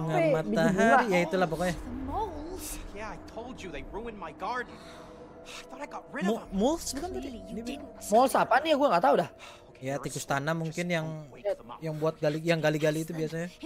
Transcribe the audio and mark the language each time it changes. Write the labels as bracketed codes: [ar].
[id] Bunga matahari, ya itulah pokoknya. [en] Yeah, I told you they ruined my garden. I thought I got rid of them. [id] Moles bukan tadi? Moles apa nih? Gua enggak tahu dah. Ya tikus tanah mungkin yang buat gali itu biasanya.